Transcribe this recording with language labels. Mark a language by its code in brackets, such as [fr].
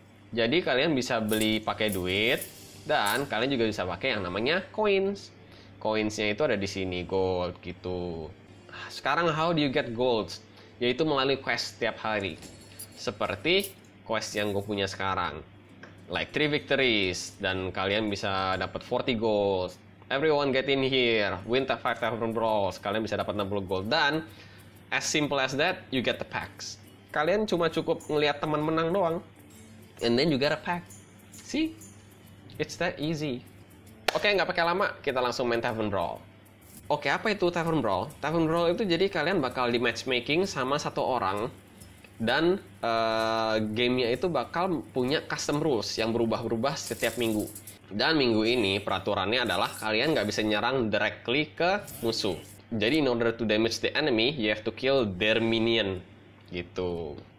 [id] Jadi kalian bisa beli pakai duit dan kalian juga bisa pakai yang namanya coins. Coinsnya itu ada di sini, gold gitu. Sekarang [en] how do you get gold? [id] Yaitu melalui quest tiap hari. Seperti quest yang gue punya sekarang. [en] Like 3 victories [id] dan kalian bisa dapat 40 gold. [en] Everyone get in here, win the 5 tavern brawls, [id] kalian bisa dapat 60 gold, dan [en] as simple as that, you get the packs. [id] Kalian cuma cukup ngelihat teman menang doang, [en] and then you get a pack. See? It's that easy. [id] Oke, nggak pakai lama, kita langsung main tavern brawl. Oke, apa itu tavern brawl? Tavern brawl itu jadi kalian bakal di matchmaking sama satu orang, dan gamenya itu bakal punya custom rules yang berubah-berubah setiap minggu. Dan minggu ini peraturannya adalah kalian nggak bisa nyerang directly ke musuh. [en] Jadi in order to damage the enemy, you have to kill their minion, gitu.